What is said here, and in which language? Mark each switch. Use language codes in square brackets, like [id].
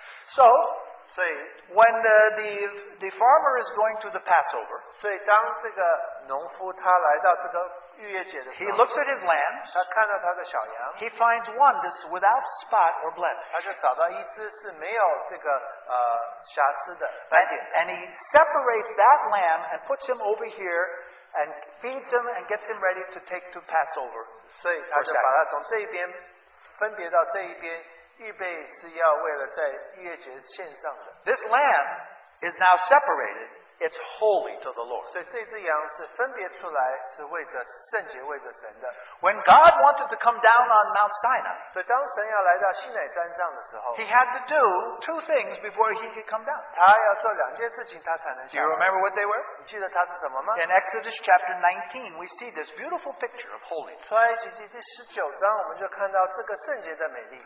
[en] So, when the farmer is going to the Passover, [zh] 所以当这个农夫他来到这个逾越节的时候, [en] he looks at his lamb, [zh] 他看到他的小羊, [en] he finds one that's without spot or blemish, [zh] 他就找到一只是没有这个, 瑕疵的, [en] and he separates that lamb and puts him over here and feeds him and gets him ready to take to Passover. [zh] 所以他就把它从这一边分别到这一边, 预备是要为了在逾越节献上的。 [en] This lamb is now separated. It's holy to the Lord. [zh] 所以这只羊是分别出来是为着圣洁为着神的。 [en] When God wanted to come down on Mount Sinai, [zh] 所以当神要来到西乃山上的时候, [en] he had to do two things before he could come down. [zh] 他要做两件事情他才能下来。 [en] Do you remember what they were? [zh] 你记得他是什么吗? [en] In Exodus chapter 19, we see this beautiful picture of holiness. [zh] 出埃及记第十九章我们就看到这个圣洁的美丽。